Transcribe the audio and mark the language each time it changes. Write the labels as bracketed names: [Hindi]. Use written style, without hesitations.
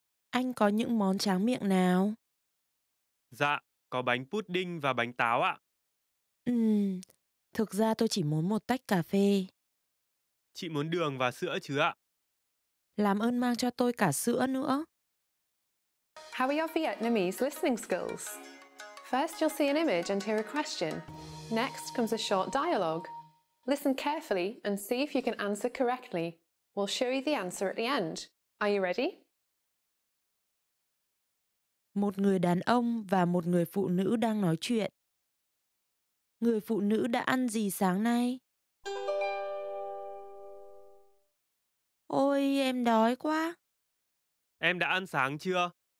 [Vietnamese] Anh có những món tráng miệng nào? Dạ, có bánh pudding và bánh táo ạ. Thực ra tôi chỉ muốn một tách cà phê. Chị muốn đường và sữa chứ ạ? Làm ơn mang cho tôi cả sữa nữa. [English] How are your Vietnamese listening skills? First, you'll see an image and hear a question. Next comes a short dialogue. Listen carefully and see if you can answer correctly. We'll show you the answer at the end. Are you ready? [Vietnamese] Một người đàn ông và một người phụ nữ đang nói chuyện. Người phụ nữ đã ăn gì sáng nay? Ôi, em đói quá. Em đã ăn sáng chưa?